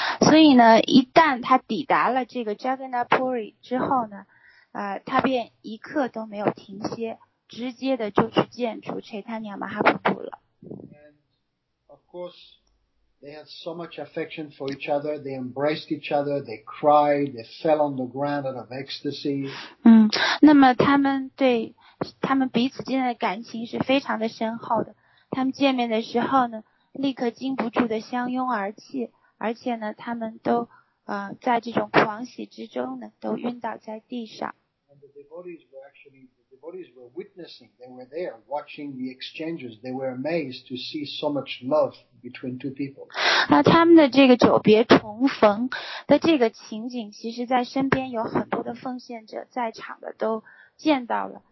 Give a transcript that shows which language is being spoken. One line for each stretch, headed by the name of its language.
Chinese: 所以呢一旦他抵达了这个 Jagannathpuri 之后呢他便一刻都没有停歇，直接的就去见主 Chaitanya Mahaprabhu 了。
English: And of course, they had so much affection for each other. They embraced each other. They cried. They fell on the ground out of ecstasy.
Chinese: 那么他们彼此间的感情是非常的深厚的。他们见面的时候呢，立刻禁不住的相拥而泣，而且呢，他们都。在这种狂喜之中呢，都晕倒在地上。
English: And the devotees were actually, the devotees were witnessing, they were there watching the exchanges, they were amazed to see so much love between two people.
Chinese: 他们的这个久别重逢的这个情景，其实在身边有很多的奉献者在场的都见到了。